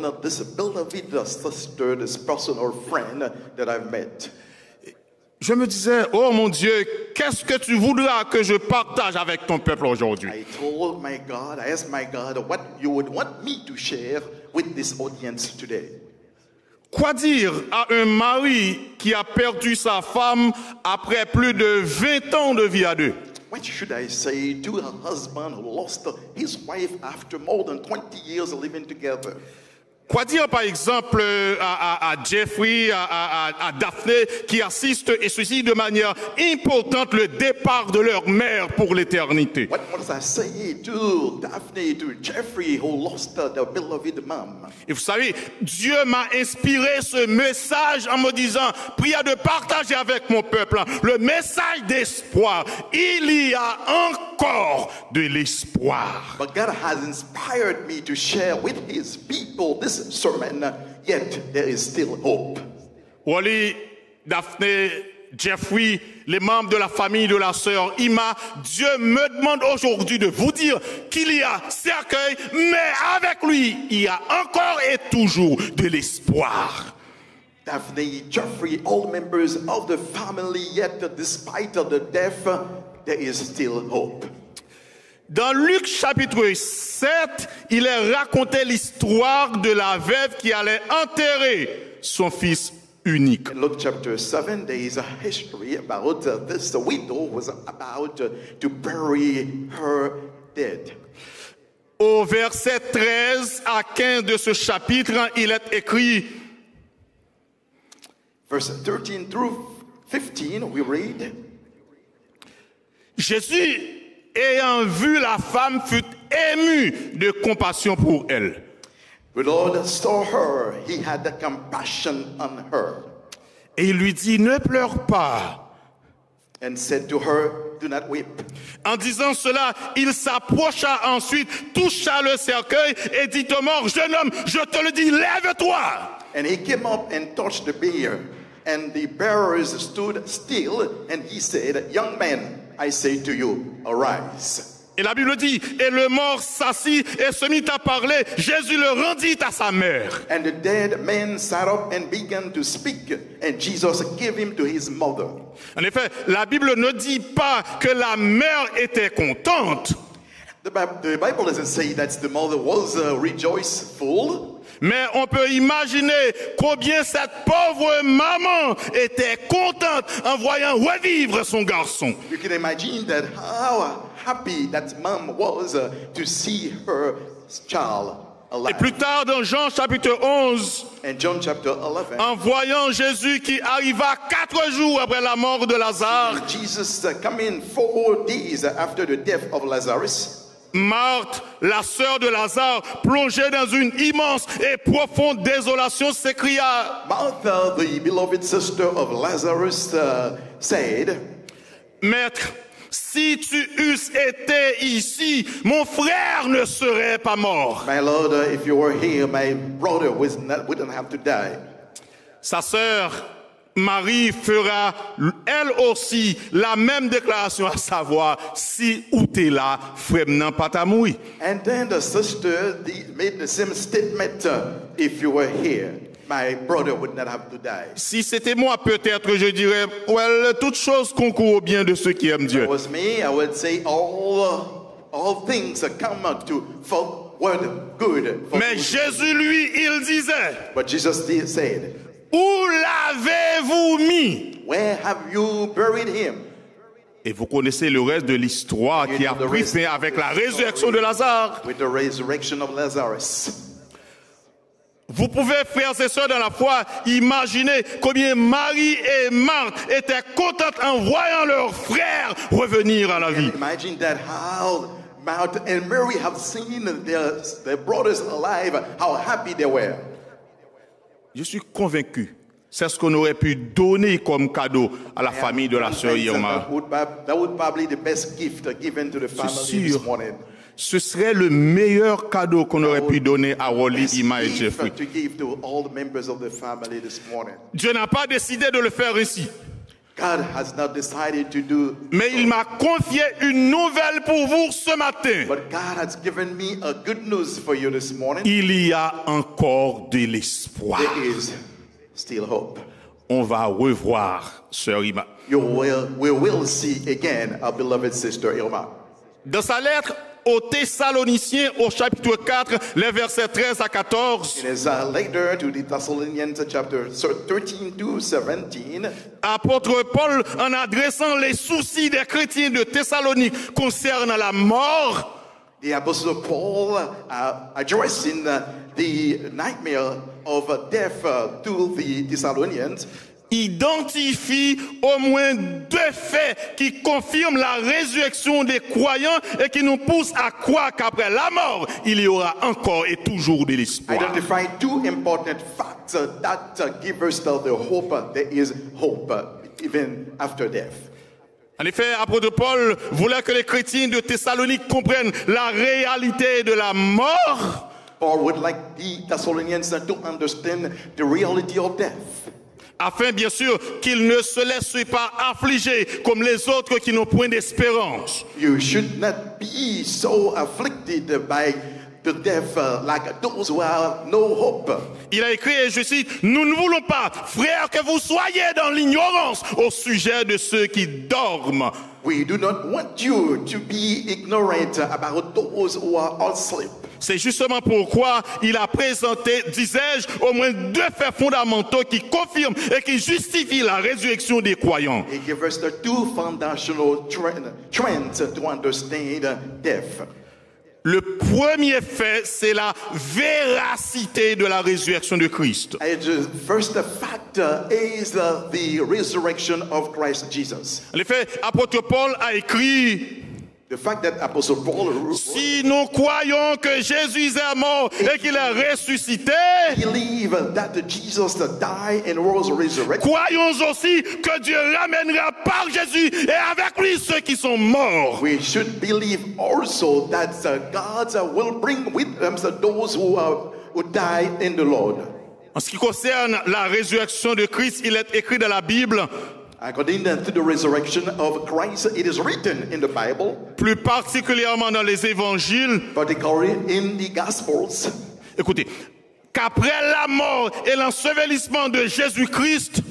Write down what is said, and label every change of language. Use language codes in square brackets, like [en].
[en] Since 1999, I've known this beloved sister, this personal friend that I've met. [fr] Je me disais, oh mon Dieu, qu'est-ce que tu voudras que je partage avec ton peuple aujourd'hui? [en] I told my God, I asked my God, what you would want me to share with this audience today? [fr] Quoi dire à un mari qui a perdu sa femme après plus de 20 ans de vie à deux? [en] What should I say to a husband who lost his wife after more than 20 years living together? [fr] Quoi dire, par exemple, à Jeffrey, à Daphné, qui assistent et suscitent de manière importante le départ de leur mère pour l'éternité? [en] What must I say to Daphné, to Jeffrey, who lost their beloved mom? [fr] Et vous savez, Dieu m'a inspiré ce message en me disant, prière de partager avec mon peuple le message d'espoir. Il y a encore de l'espoir. [en] But God has inspired me to share with his people this sermon, yet there is still hope. [fr] Wally, Daphné, Jeffrey, les membres de la famille de la sœur Ima, Dieu me demande aujourd'hui de vous dire qu'il y a cercueil, mais avec lui, il y a encore et toujours de l'espoir. [en] Daphné, Jeffrey, all members of the family, yet despite the death, there is still hope. [fr] Dans Luc chapitre 7, il est raconté l'histoire de la veuve qui allait enterrer son fils unique. [en] Luke chapter 7, there is a history about this widow was about to bury her dead. [fr] Au verset 13 à 15 de ce chapitre, il est écrit. [en] Verse 13 through 15, we read. [fr] Jésus, ayant vu la femme, fut ému de compassion pour elle. [en] The Lord saw her, he had the compassion on her. [fr] Et il lui dit, ne pleure pas. [en] And said to her, do not weep. [fr] En disant cela, il s'approcha ensuite, toucha le cercueil et dit aux morts, jeune homme, je te le dis, lève-toi. [en] And he came up and touched the bier. And the bearers stood still, and he said, young man, I say to you, arise. [fr] Et la Bible dit, et le mort s'assit et se mit à parler. Jésus le rendit à sa mère. [en] And the dead man sat up and began to speak, and Jesus gave him to his mother. [fr] En effet, la Bible ne dit pas que la mère était contente. [en] The Bible doesn't say that the mother was rejoiceful. [fr] Mais on peut imaginer combien cette pauvre maman était contente en voyant revivre son garçon. [en] You can imagine that how happy that mom was to see her child alive. [fr] Et plus tard dans Jean chapitre 11, [en] and John chapter 11, [fr] en voyant Jésus qui arriva quatre jours après la mort de Lazare, [en] Jesus coming 4 days after the death of Lazarus, [fr] Marthe, la sœur de Lazare, plongée dans une immense et profonde désolation, s'écria, [en] Martha, the beloved sister of Lazarus, said, [fr] Maître, si tu eusses été ici, mon frère ne serait pas mort. [en] My Lord, if you were here, my brother wouldn't have to die. [fr] Sa sœur Marie fera elle aussi la même déclaration, à savoir, si où t'es là, frère n'en pas ta mouille. [en] And then the sister made the same statement, if you were here, my brother would not have to die. [fr] Si c'était moi, peut-être, je dirais, well, toutes choses concourent au bien de ceux qui aiment Dieu. [en] If it was me, I would say all things come out to for what good. For [fr] Mais [en] good. [fr] Jésus, lui, il disait, [en] but Jesus said, [fr] où l'avez-vous mis? [en] Where have you buried him? [fr] Et vous connaissez le reste de l'histoire qui a pris fin avec la résurrection de Lazare. [en] With the resurrection of Lazarus. [fr] Vous pouvez, frères et sœurs dans la foi, imaginer combien Marie et Marthe étaient contentes en voyant leur frère revenir à la vie. [en] Imagine that how Marthe and Mary have seen their brothers alive, how happy they were. [fr] Je suis convaincu, c'est ce qu'on aurait pu donner comme cadeau à la famille de la sœur Irma. C'est sûr, ce serait le meilleur cadeau qu'on aurait pu donner à Wally, Irma et Jeffrey. [en] To give to all the members of the family this morning. [fr] Dieu n'a pas décidé de le faire ici. [en] God has not decided to do. [fr] Mais il m'a confié une nouvelle pour vous ce matin. [en] But God has given me a good news for you this morning. [fr] Il y a encore de l'espoir. [en] There is still hope. [fr] On va revoir sœur Irma. [en] We will see again our beloved sister Irma. [fr] Dans sa lettre aux Thessaloniciens au chapitre 4, les versets 13 à 14. [en] In his letter to the Thessalonians, chapter 13 to 17. [fr] Apôtre Paul, en adressant les soucis des chrétiens de Thessalonique concernant la mort, [en] the apostle Paul addressing the nightmare of death to the Thessalonians, [fr] identifie au moins deux faits qui confirment la résurrection des croyants et qui nous poussent à croire qu'après la mort, il y aura encore et toujours de l'espoir. [en] Identify two important facts that give us the hope there is hope even after death. [fr] En effet, apôtre Paul voulait que les chrétiens de Thessalonique comprennent la réalité de la mort. [en] Paul would like the Thessalonians to understand the reality of death. [fr] Afin, bien sûr, qu'ils ne se laissent pas affliger comme les autres qui n'ont point d'espérance. [en] You should not be so afflicted by the death like those who have no hope. [fr] Il a écrit, et je cite, nous ne voulons pas, frères, que vous soyez dans l'ignorance au sujet de ceux qui dorment. [en] We do not want you to be ignorant about those who are asleep. [fr] C'est justement pourquoi il a présenté, disais-je, au moins deux faits fondamentaux qui confirment et qui justifient la résurrection des croyants. [en] He gave us the two foundational trends to understand death. [fr] Le premier fait, c'est la véracité de la résurrection de Christ. [en] And the first fact is the resurrection of Christ Jesus. [fr] En effet, apôtre Paul a écrit, [en] The fact that Apostle Paul wrote, [fr] si nous croyons que Jésus est mort et qu'il est ressuscité, [en] believe that Jesus died and was resurrected. [fr] Croyons aussi que Dieu ramènera par Jésus et avec lui ceux qui sont morts. [en] We should believe also that God will bring with them those who died in the Lord. [fr] En ce qui concerne la résurrection de Christ, il est écrit dans la Bible. [en] According to the resurrection of Christ, it is written in the Bible. [fr] Plus particulièrement dans les évangiles. [en] Particularly in the Gospels. [fr] Écoutez, qu'après la mort et l'ensevelissement de Jésus-Christ,